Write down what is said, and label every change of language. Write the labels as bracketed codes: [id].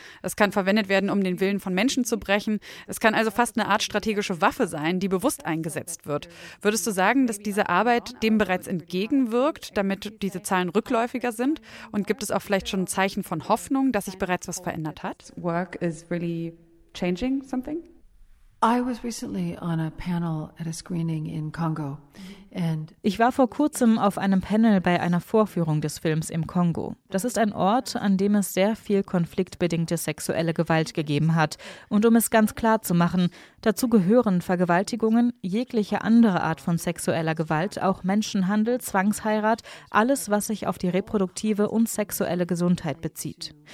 [de] Es kann verwendet werden, um den Willen von Menschen zu brechen. Es kann also fast eine Art strategische Waffe sein, die bewusst eingesetzt wird. Würdest du sagen, dass diese Arbeit dem bereits entgegenwirkt, damit diese Zahlen rückläufiger sind? Und gibt es auch vielleicht schon ein Zeichen von Hoffnung, dass sich bereits was verändert hat? [en] Work is really changing something? I was recently on a panel at a screening in Congo. [de] Ich war vor kurzem auf einem Panel bei einer Vorführung des Films im Kongo. Das ist ein Ort, an dem es sehr viel konfliktbedingte sexuelle Gewalt gegeben hat. Und um es ganz klar zu machen, dazu gehören Vergewaltigungen, jegliche andere Art von sexueller Gewalt, auch Menschenhandel, Zwangsheirat, alles, was sich auf die reproduktive und sexuelle Gesundheit bezieht.